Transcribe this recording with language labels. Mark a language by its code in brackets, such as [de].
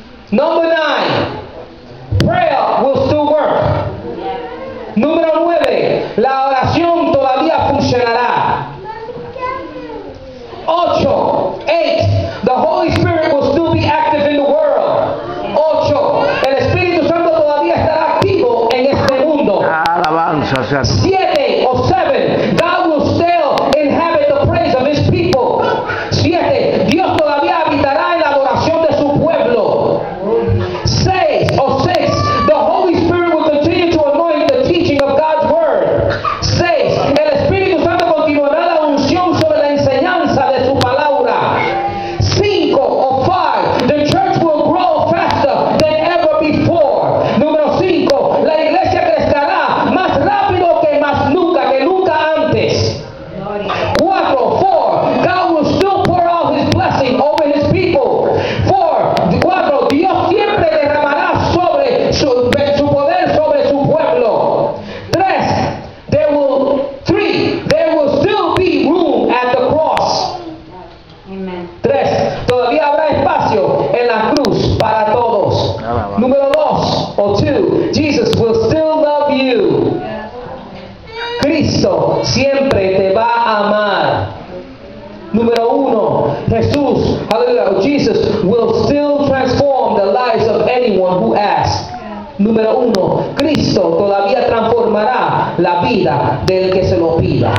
[en] Number 9. Prayer will still work. [es] Número 9. La oración todavía funcionará. 8. [en] The Holy Spirit will still be active in the world. 8. [es] El Espíritu Santo todavía estará activo en este mundo. Alabanza, sea. 7. [en] God will still inhabit the praise of his people. 7. [es] Dios todavía habitará en la adoración de su pueblo. 6. [en] The Holy Spirit will continue to anoint the teaching of God's word. 6. [es] El Espíritu Santo continuará la unción sobre la enseñanza de su palabra. [en] 5 or 5, the church will grow faster than ever before. [es] Número 5, la iglesia crecerá más rápido que más nunca antes. [en] 4, God will still pour out his blessing over his people. [es] 4, Dios siempre derramará sobre su poder sobre su pueblo. [en] 3, there will still be room at the cross. Amen. [es] 3, todavía habrá espacio en la cruz para todos. Número 2 [en] or 2, Jesus will still love you. [es] Cristo siempre te va a amar. Número 1, Jesús, [en] hallelujah, Jesus will still transform the lives of anyone who asks. [es] Número 1, Cristo todavía transformará la vida del que se lo pida.